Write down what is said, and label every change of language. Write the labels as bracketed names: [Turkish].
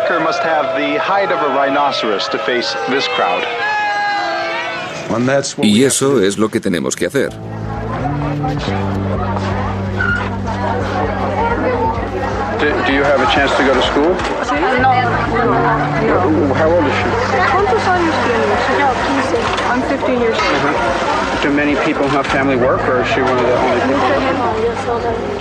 [English] Must have the height of a rhinoceros to face this crowd. [Spanish] Y eso es lo que tenemos que hacer. [English] Do you have a chance to go to school? No. How old is she? [Spanish] ¿Cuántos años tiene? No, 15. [English] I'm 15 years old. Do many people have family work, or is she one of the only people?